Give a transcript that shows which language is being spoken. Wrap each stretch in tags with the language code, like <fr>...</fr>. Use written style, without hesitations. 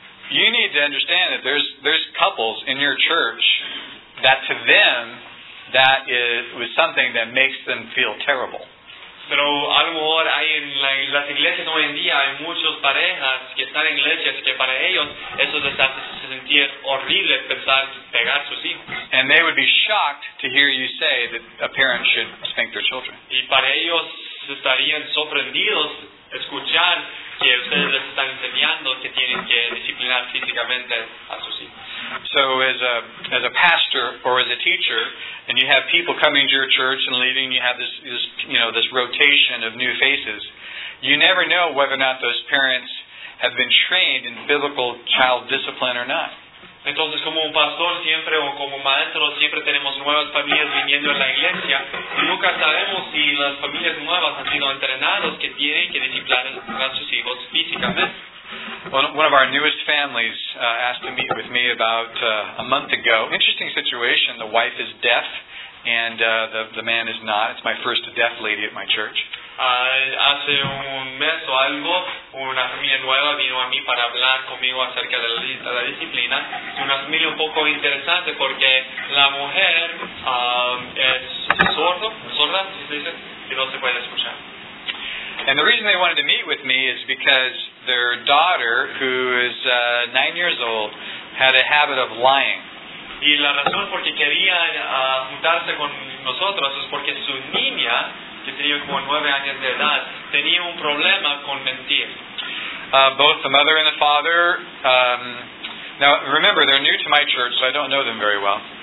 <en>You need to understand that there's couples in your church that to them, that was something that makes them feel terrible.</en> <es>Pero a lo mejor hay en las iglesias hoy en día, hay muchas parejas que están en iglesias que para ellos eso les hace sentir horrible pensar pegar sus hijos.</es> <en>And they would be shocked to hear you say that a parent should spank their children.</en> <es>Y para ellos estarían sorprendidos escuchar que ustedes les están enseñando que tienen que disciplinar físicamente a sus hijos.</es> <en>So as a pastor or as a teacher, and you have people coming to your church and leaving, you have this rotation of new faces, you never know whether or not those parents have been trained in biblical child discipline or not.</en> <es>Entonces, como un pastor siempre o como maestro siempre tenemos nuevas familias viniendo a la iglesia y nunca sabemos si las familias nuevas han sido entrenadas que tienen que disciplinar a sus hijos físicamente.</es> <en>One of our newest families asked to meet with me about a month ago. Interesting situation. The wife is deaf and the man is not. It's my first deaf lady at my church.</en> <es>Hace un mes o algo, una familia nueva vino a mí para hablar conmigo acerca de la disciplina. Es una familia un poco interesante porque la mujer es sorda, si se dice, y no se puede escuchar.</es> <en>And the reason they wanted to meet with me is because their daughter, who is 9 years old, had a habit of lying.</en> <es>Y la razón por qué querían juntarse con nosotros es porque su niña, que tenía como 9 años de edad, tenía un problema con mentir.</es> <en>Both the mother and the father. Now, remember, they're new to my church, so I don't know them very well.</en>